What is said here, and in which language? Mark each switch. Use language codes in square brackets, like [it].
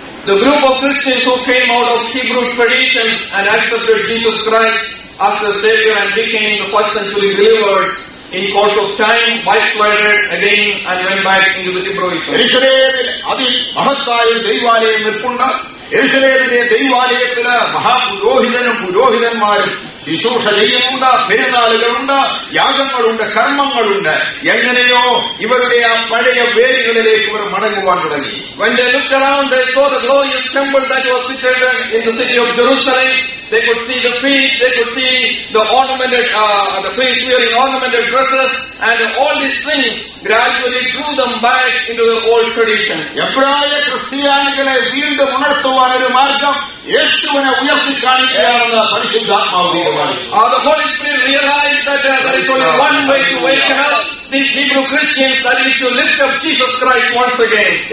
[en] The group of Christians who came out of Hebrew tradition and accepted Jesus Christ as the Savior and became the first century believers, in course of time backslided again and went back into the Hebrewism. [ml] Erushalayathil adi mahathaya devalayam nirkunna Erushalayathile devalayathile mahapurohithanum purohithanmarum ശുശ്രൂഷ ചെയ്യുന്നുണ്ട്, പെരുന്നാളുകളുണ്ട്, യാഗങ്ങളുണ്ട്, കർമ്മങ്ങളുണ്ട്. എങ്ങനെയോ ഇവരുടെ ആ പഴയ വേരുകളിലേക്ക് ഇവർ മടങ്ങുവാൻ തുടങ്ങി. [en] When they looked around, they saw the glorious temple that was situated in the city of Jerusalem. They could see the priests, they could see the ornamented, the priests wearing ornamented dresses, and all these things gradually drew them back into the old tradition. [ml] എബ്രായ ക്രിസ്ത്യാനികളെ വീണ്ടും ഉണർത്തുവാൻ ഒരു മാർഗം യേശുവിനെ ഉയർത്തിക്കാണിക്കുകയാണെന്ന് പരിശുദ്ധാത്മാവ് [en] The Holy Spirit realized that there is only one way to wake up these Hebrew Christians, that is to lift up Jesus Christ once again.